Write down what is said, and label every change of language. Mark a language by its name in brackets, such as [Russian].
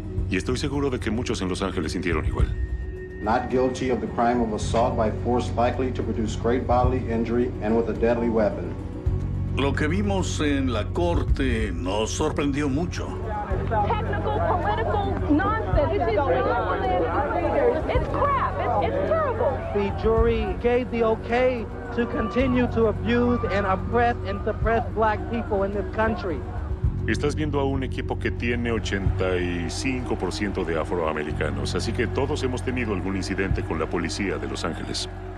[Spanish] Y estoy seguro de que muchos en Los Ángeles sintieron igual. [English] Not guilty of the crime of assault by force likely to produce great bodily injury and with a deadly weapon. [Spanish] Lo que vimos en la corte nos sorprendió mucho. [English] Technical, political nonsense. It's nonsense. It's crap. It's terrible. The jury gave the okay to continue to abuse and oppress and suppress black people in this country. [Spanish] Estás viendo a un equipo que tiene 85% de afroamericanos, así que todos hemos tenido algún incidente con la policía de Los Ángeles.